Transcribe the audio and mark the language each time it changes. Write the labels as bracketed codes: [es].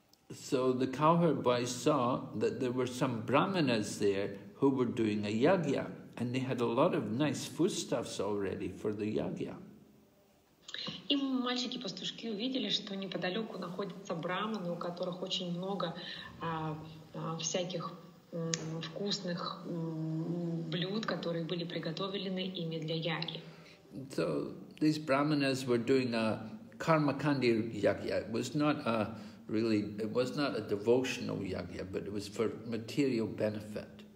[en] So the cowherd boys saw that there were some brahmanas there who were doing a yagya, and they had a lot of nice foodstuffs already for the yagya. [ru] И мальчики-пастушки увидели, что неподалеку находятся брахманы, у которых очень много всяких вкусных блюд, которые были приготовлены ими для яги. [en] So these brahmanas were doing a karmakandi yagya. It was not a devotional yagya, but it was for material benefit.